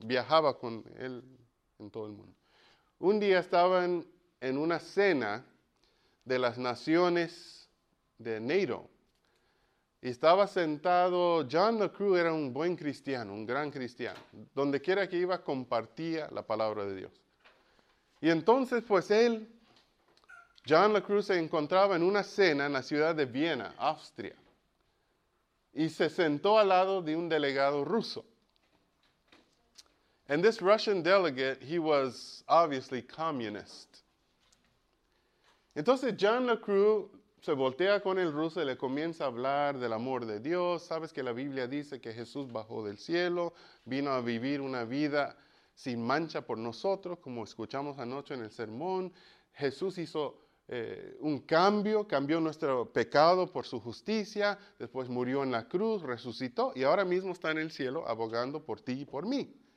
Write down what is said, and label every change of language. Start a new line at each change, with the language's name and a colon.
Spanish: Viajaba con él en todo el mundo. Un día estaban en una cena de las naciones de NATO, y estaba sentado, John LeCrew era un buen cristiano, un gran cristiano. Donde quiera que iba, compartía la palabra de Dios. Y entonces, pues él Jean LaCruz se encontraba en una cena en la ciudad de Viena, Austria, y se sentó al lado de un delegado ruso.
English: And this Russian delegate, he was obviously communist.
Spanish: Entonces Jean LaCruz se voltea con el ruso y le comienza a hablar del amor de Dios. Sabes que la Biblia dice que Jesús bajó del cielo, vino a vivir una vida sin mancha por nosotros, como escuchamos anoche en el sermón. Jesús hizo un cambio, cambió nuestro pecado por su justicia, después murió en la cruz, resucitó y ahora mismo está en el cielo abogando por ti y por mí.